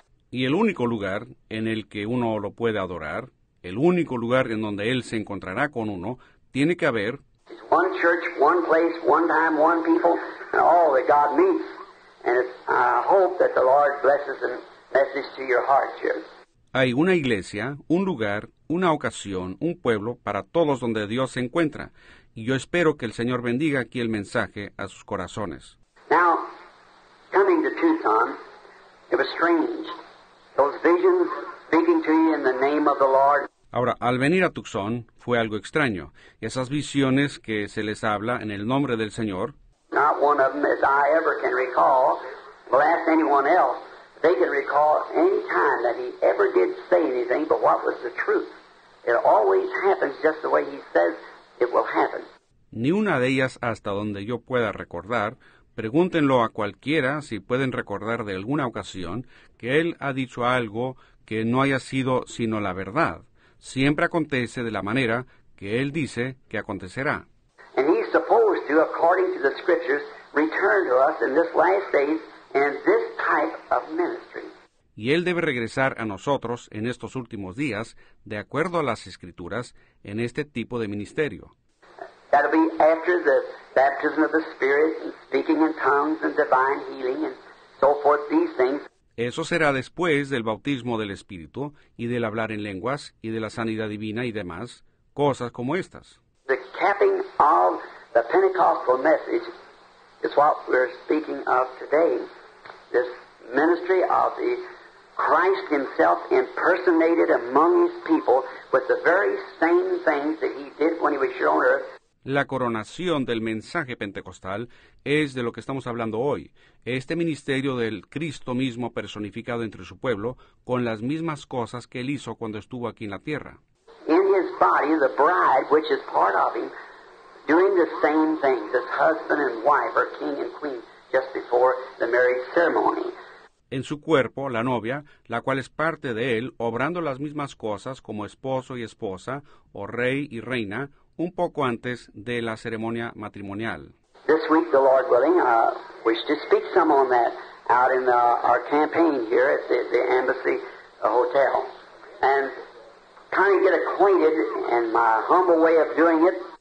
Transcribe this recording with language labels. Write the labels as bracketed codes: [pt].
[es] Y el único lugar en el que uno lo puede adorar, el único lugar en donde Él se encontrará con uno, tiene que haber [en] one church, one place, one time, one people, and all that God meets. And I hope that the Lord blesses and messes to your heart here. [es] Hay una iglesia, un lugar, una ocasión, un pueblo para todos donde Dios se encuentra. Y yo espero que el Señor bendiga aquí el mensaje a sus corazones. [en] Now, coming to Tucson, it was strange. Those visions speaking to you in the name of the Lord. [es] Ahora, al venir a Tucson, fue algo extraño. Esas visiones que se les habla en el nombre del Señor. [en] Not one of them, as I ever can recall, will ask anyone else. They can recall any time that he ever did say anything, but what was the truth? It always happens just the way he says it will happen. [es] Ni una de ellas, hasta donde yo pueda recordar, pregúntenlo a cualquiera si pueden recordar de alguna ocasión que él ha dicho algo que no haya sido sino la verdad. Siempre acontece de la manera que él dice que acontecerá. [en] And he's supposed to, according to the scriptures, return to us in this last days in this type of ministry. [es] Y él debe regresar a nosotros en estos últimos días, de acuerdo a las escrituras, en este tipo de ministerio. [en] That'll be after the baptism of the Spirit and speaking in tongues and divine healing and so forth, these things. [es] Eso será después del bautismo del Espíritu y del hablar en lenguas y de la sanidad divina y demás, cosas como estas. [en] The capping of the Pentecostal message is what we're speaking of today. This ministry of the Christ himself impersonated among his people with the very same things that he did when he was here on earth. [es] La coronación del mensaje pentecostal es de lo que estamos hablando hoy. Este ministerio del Cristo mismo personificado entre su pueblo con las mismas cosas que él hizo cuando estuvo aquí en la tierra. [en] In his body, the bride, which is part of him, doing the same things as husband and wife or king and queen just before the marriage ceremony. [es] En su cuerpo, la novia, la cual es parte de él, obrando las mismas cosas como esposo y esposa o rey y reina, un poco antes de la ceremonia matrimonial. [en] This week, the Lord willing, wish to speak some on that out in our campaign here at the Embassy Hotel. And kind of get acquainted in my humble way of doing it.